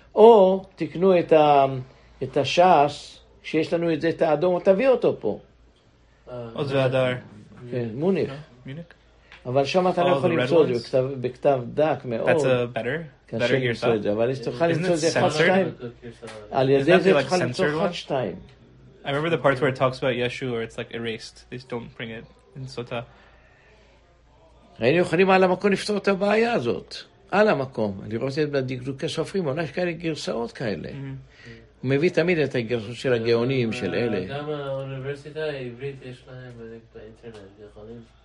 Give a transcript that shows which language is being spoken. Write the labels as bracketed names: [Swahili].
[Hebrew] או תקנו את השס, שיש לנו את זה, את האדום, תביא אותו פה. עוד ועדר. מוניק. מוניק? אבל שם אתה לא יכול למצוא את זה, בכתב דק מאוד. [English] That's a better? [Hebrew] קשה למצוא את זה, אבל אם תוכל למצוא את זה אחד שתיים. על ידי זה תוכל למצוא אחד שתיים. [English] I remember the parts where it talks about Yeshu, where it's like erased. They just don't bring it in Sota. [Hebrew] היינו יכולים על המקום לפתור את הבעיה הזאת. על המקום. אני רואה את זה בדקדוקי סופרים, אולי יש כאלה גרסאות כאלה. הוא מביא תמיד את הגרסאות של הגאונים, של אלה. גם האוניברסיטה העברית יש להם באינטרנט, יכולים...